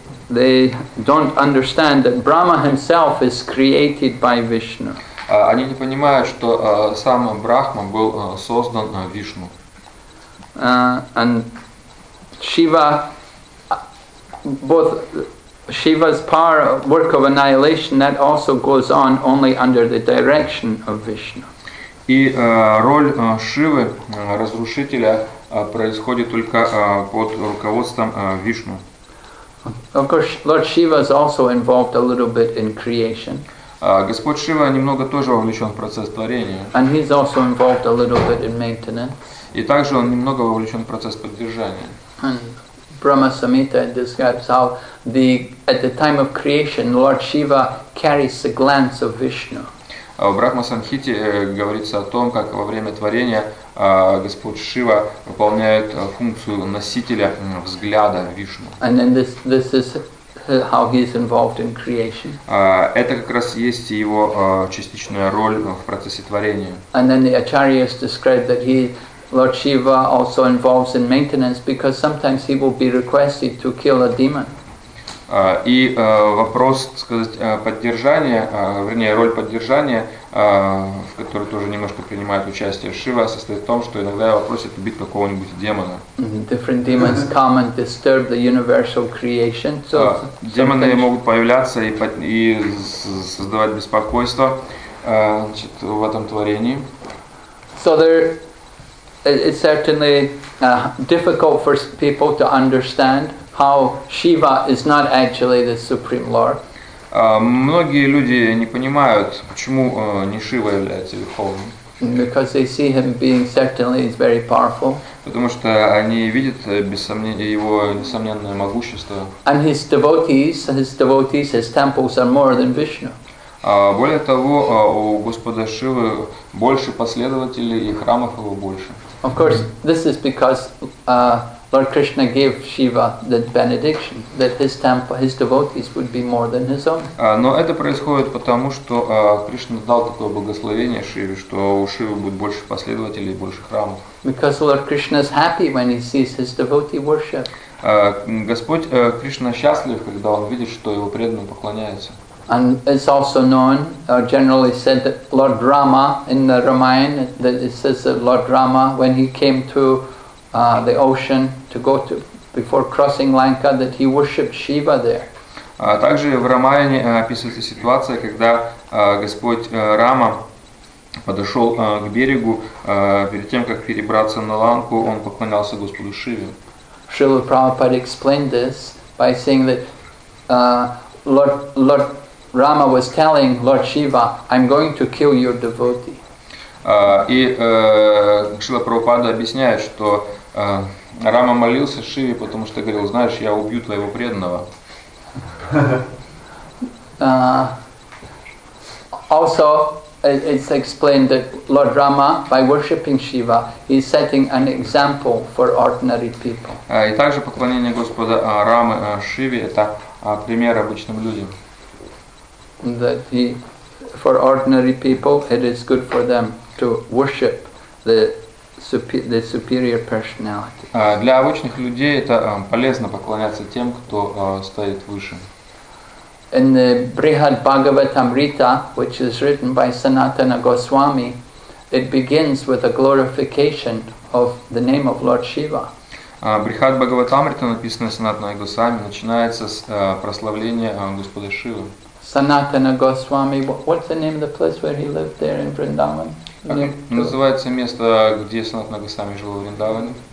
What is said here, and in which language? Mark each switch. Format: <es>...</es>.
<en>They don't understand that Brahma himself is created by Vishnu.</en> <ru>Они не понимают, что сам Брахма был создан Вишну.</ru> <en>And Shiva, both Shiva's power, work of annihilation, that also goes on only under the direction of Vishnu.</en> <ru>И роль Шивы, разрушителя, происходит только под руководством Вишну.</ru> <en>Of course, Lord Shiva is also involved a little bit in creation.</en> <ru>Господь Шива немного тоже вовлечен в процесс творения.</ru> <en>And he's also involved a little bit in maintenance.</en> <ru>И также он немного вовлечен в процесс поддержания.</ru> <en>And Brahma Samhita describes how the at the time of creation Lord Shiva carries the glance of Vishnu.</en> <ru>В Брахма-самхите говорится о том, как во время творения Господь Шива выполняет функцию носителя взгляда Вишну.</ru> <en>And then this is how he is involved in creation.</en> <ru>Это как раз есть его частичная роль в процессе творения.</ru> <en>And then the acharyas describe that he, Lord Shiva, also involves in maintenance because sometimes he will be requested to kill a demon.</en> <ru>И вопрос, сказать, поддержания, вернее, роль поддержания, в которой тоже немножко принимает участие Шива, состоит в том, что иногда его просят убить какого-нибудь демона.</ru> <en>Different demons come and disturb the universal creation. So</en> <ru>демоны могут появляться и создавать беспокойство значит, в этом творении.</ru> <en>So it's certainly difficult for people to understand how Shiva is not actually the Supreme Lord.</en> <ru>Многие люди не понимают, почему не Шива является Верховным.</ru> <en>Because they see him being certainly is very powerful.</en> <ru>Потому что они видят без сомнения его несомненное могущество.</ru> <en>And his devotees, his temples are more than Vishnu.</en> <ru>Более того, у Господа Шивы больше последователей, и храмов его больше.</ru> <en>Of course, this is because Lord Krishna gave Shiva the benediction that his temple, his devotees would be more than his own.</en> <ru>Но это происходит потому, что Кришна дал такое благословение Шиве, что у Шивы будет больше последователей, больше храмов.</ru> <en>Because Lord Krishna is happy when he sees his devotee worship.</en> <ru>Господь Кришна счастлив, когда он видит, что его преданные поклоняются.</ru> <en>And it's also known, or generally said, that Lord Rama in the Ramayana, that it says that Lord Rama, when he came to the ocean to go to before crossing Lanka, that he worshipped Shiva there.</en> <ru>Также в Рамаяне описывается ситуация, когда Господь Рама подошел к берегу перед тем, как перебраться на Ланку, он поклонялся Господу Шиве.</ru> <en>Srila Prabhupada explained this by saying that Lord Rama was telling Lord Shiva, "I'm going to kill your devotee."</en> <ru>И Srila Prabhupada объясняет, что Рама молился Шиве, потому что говорил, знаешь, я убью твоего преданного.</ru> <en>Also, it's explained that Lord Rama, by worshipping Shiva, is setting an example for ordinary people.</en> <ru>И также поклонение Господа Рамы Шиве – это пример обычным людям.</ru> <en>That he, for ordinary people, it is good for them to worship the superior personality.</en> <ru>Для обычных людей это полезно поклоняться тем, кто стоит выше.</ru> <en>In the Brihad Bhagavatamrita, which is written by Sanatana Goswami, it begins with a glorification of the name of Lord Shiva.</en> <ru>Брихад Бхагаватамрита, написанное Санатаной Госвами, начинается с прославления Господа Шивы.</ru> <en>Sanatana Goswami, what's the name of the place where he lived there in Vrindavan?</en> <ru>Как называется место, где Санатана Госвами жил в Вриндаване?</ru>